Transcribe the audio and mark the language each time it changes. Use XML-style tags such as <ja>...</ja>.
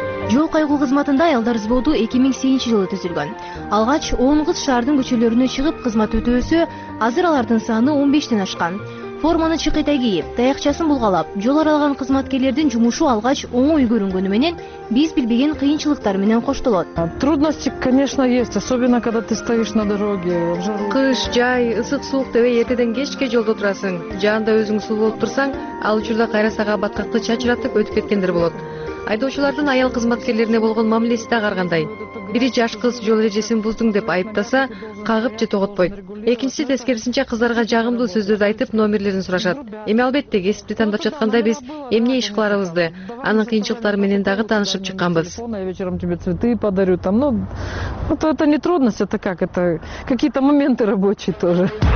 <ky>Жол кайгуу кызматында аялдар взводу 2008-жылы түзүлгөн. Алгач 10 кыз шаардын көчөлөрүнө чыгып кызмат өтөөсө, азыр алардын саны 15 ашкан. Форманы чыкыта кийип, таякчасын булгалап, жол аралаган кызматкерлердин жумушу алгач оңой көрүнгөнү менен биз билбеген кыйынчылыктар менен коштолот.</ky> <ru>Трудности, конечно, есть, особенно когда ты стоишь на дороге.</ru> <ky>Кыш, жай, ысык, суук деп эртеден кечке жолдо турасың. Жанында өзүң суу болуп турсаң, ал учурда кайра сага баткакты чачыратып өтүп кеткендер болот. Айдоочулардын аял кызматкерлерине болгон мамилеси да каргандай. Бири жаш кыз жол эрежесин буздуң деп айыптаса, кагып же тоготпойт. Экинчиси тескерисинче кыздарга жагымдуу сөздөрдү айтып, номерлерин сурашат. Эми албетте, кесипти тандап жатканда биз эмне иш кыларыбызды, анын кыйынчылыктары менен дагы таанышып чыкканбыз.</ky> <ru>Вечером тебе цветы подарю там. Ну, вот это не трудность, это как это какие-то моменты рабочие тоже.</ru>